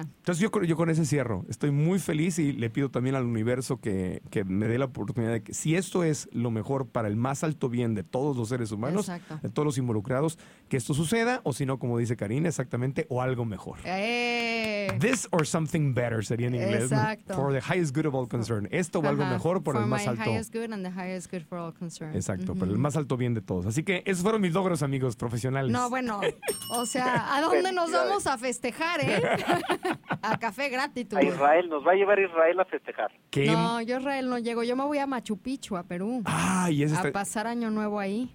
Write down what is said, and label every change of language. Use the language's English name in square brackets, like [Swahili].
[Spanish] Entonces yo con ese cierro. Estoy muy feliz y le pido también al universo que me dé la oportunidad de que si esto es lo mejor para el más alto bien de todos los seres humanos, exacto, de todos los involucrados, que esto suceda, o si no, como dice Karina, exactamente, o algo mejor. [English] This or something better [Spanish] sería en inglés. Exacto. [English] For the highest good of all concern. [Spanish] Esto o algo mejor por [English] for [Spanish] el más [English] my [Spanish] alto. [English] My highest good and the highest good for all concern. [Spanish] Exacto, uh-huh, por el más alto bien de todos. Así que esos fueron mis logros, amigos profesionales. No, bueno, o sea, ¿a dónde nos vamos a festejar, eh? A Café Gratitud. A Israel, nos va a llevar Israel a festejar. ¿Qué? No, yo a Israel no llego, yo me voy a Machu Picchu, a Perú. Ay, ese está... A pasar año nuevo ahí.